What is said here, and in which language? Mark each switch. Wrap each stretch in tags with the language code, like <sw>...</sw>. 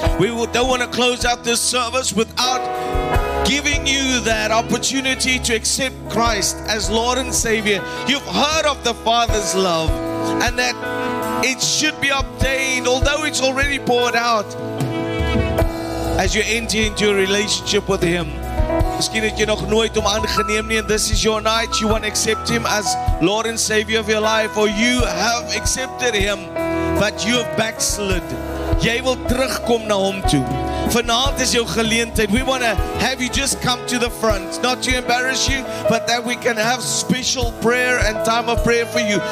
<en>We don't want to close out this service without giving you that opportunity to accept Christ as Lord and Savior. You've heard of the Father's love and that it should be obtained, although it's already poured out, as you enter into a relationship with Him.</en> <af>Misschien het je nog nooit om aangeneem nie,</af> <en>and this is your night. You want to accept Him as Lord and Savior of your life, or you have accepted Him, but you have backslid.</en> <af>Jy wil terugkom na Hom toe. Vanavond is jou geleentheid.</af> <en>We want to have you just come to the front, not to embarrass you, but that we can have special prayer and time of prayer for you.</en>